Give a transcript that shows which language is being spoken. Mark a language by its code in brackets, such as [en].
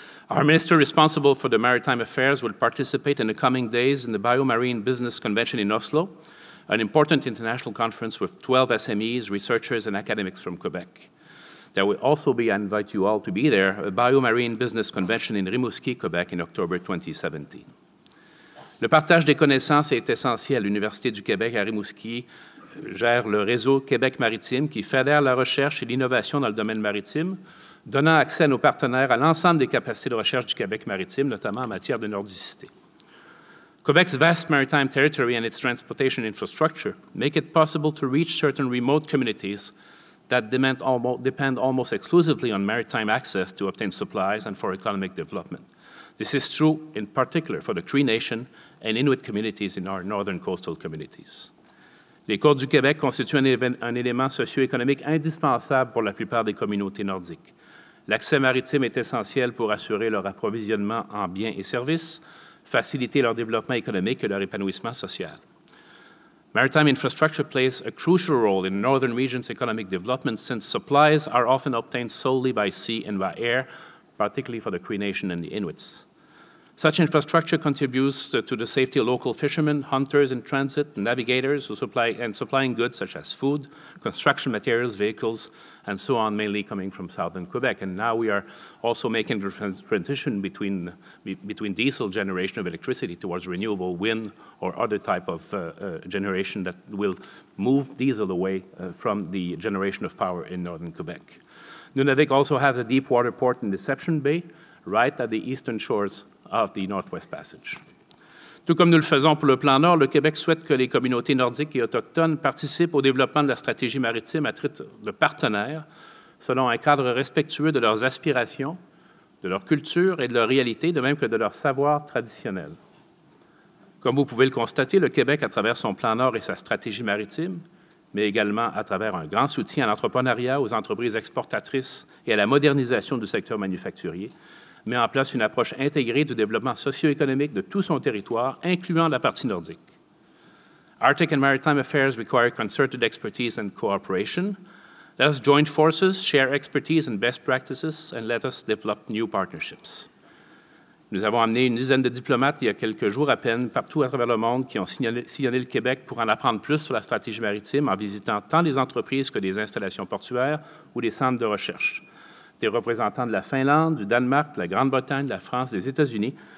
[en] Our minister responsible for the maritime affairs will participate in the coming days in the Biomarine Business Convention in Oslo, an important international conference with 12 SMEs, researchers, and academics from Quebec. There will also be, I invite you all to be there, a Biomarine Business Convention in Rimouski, Quebec, in October 2017. [fr] Le partage des connaissances est essentiel. L'Université du Québec à Rimouski gère le réseau Québec Maritime, qui fédère la recherche et l'innovation dans le domaine maritime, donnant accès à nos partenaires à l'ensemble des capacités de recherche du Québec Maritime, notamment en matière de nordicité. [en] Quebec's vast maritime territory and its transportation infrastructure make it possible to reach certain remote communities that depend almost exclusively on maritime access to obtain supplies and for economic development. This is true in particular for the Cree Nation and Inuit communities in our northern coastal communities. [fr] Les Côtes du Québec constituent un élément socio-économique indispensable pour la plupart des communautés nordiques. L'accès maritime est essentiel pour assurer leur approvisionnement en biens et services, faciliter leur développement économique et leur épanouissement social. [en] Maritime infrastructure plays a crucial role in northern regions' economic development since supplies are often obtained solely by sea and by air, particularly for the Cree Nation and the Inuits. Such infrastructure contributes to the safety of local fishermen, hunters in transit, navigators who supply and supplying goods such as food, construction materials, vehicles, and so on, mainly coming from southern Quebec. And now we are also making the transition between diesel generation of electricity towards renewable wind or other type of generation that will move diesel away from the generation of power in northern Quebec. Nunavik also has a deep water port in Deception Bay, right at the eastern shores of the Northwest Passage. [fr] Tout comme nous le faisons pour le plan Nord, le Québec souhaite que les communautés nordiques et autochtones participent au développement de la stratégie maritime à titre de partenaires, selon un cadre respectueux de leurs aspirations, de leur culture et de leur réalité, de même que de leur savoir traditionnel. Comme vous pouvez le constater, le Québec, à travers son plan Nord et sa stratégie maritime, mais également à travers un grand soutien à l'entrepreneuriat, aux entreprises exportatrices et à la modernisation du secteur manufacturier, met en place une approche intégrée du développement socio-économique de tout son territoire, incluant la partie nordique. [en] Arctic and maritime affairs require concerted expertise and cooperation. Let us join forces, share expertise and best practices, and let us develop new partnerships. [fr] Nous avons amené une dizaine de diplomates il y a quelques jours à peine partout à travers le monde qui ont sillonné le Québec pour en apprendre plus sur la stratégie maritime en visitant tant des entreprises que des installations portuaires ou des centres de recherche. Des représentants de la Finlande, du Danemark, de la Grande-Bretagne, de la France, des États-Unis